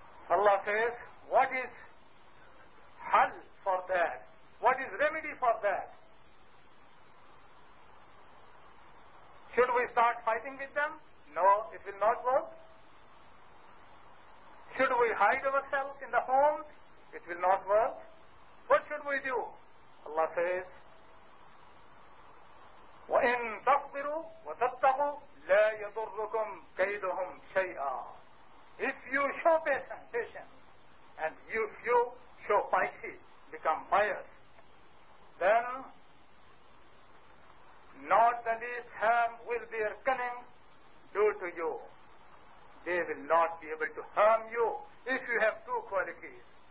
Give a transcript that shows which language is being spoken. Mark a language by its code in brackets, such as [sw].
[en] Allah says, what is hal for that? What is remedy for that? Should we start fighting with them? No, it will not work. Should we hide ourselves in the homes? It will not work. What should we do? Allah says, [ar] وَإِن تَصْبِرُوا وَتَتَّقُوا لَا يَضُرُّكُمْ كَيْدُهُمْ شَيْئًا. [en] If you show patience, and if you show piety, become pious, then not the least harm will their cunning do to you. They will not be able to harm you if you have two qualities.